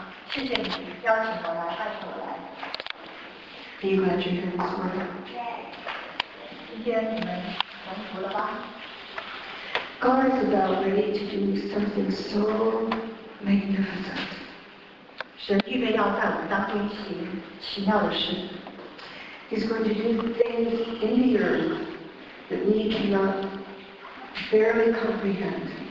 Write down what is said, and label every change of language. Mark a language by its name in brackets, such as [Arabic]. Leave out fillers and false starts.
[English] Sure thing. Yeah, I'm glad. Are you glad you're here, Miss Morgan? Yes. You're welcome. God is about ready to do something so magnificent. [Chinese] 神预备要在我们当中行奇妙的事。 [English] He's going to do things in the earth that we cannot barely comprehend.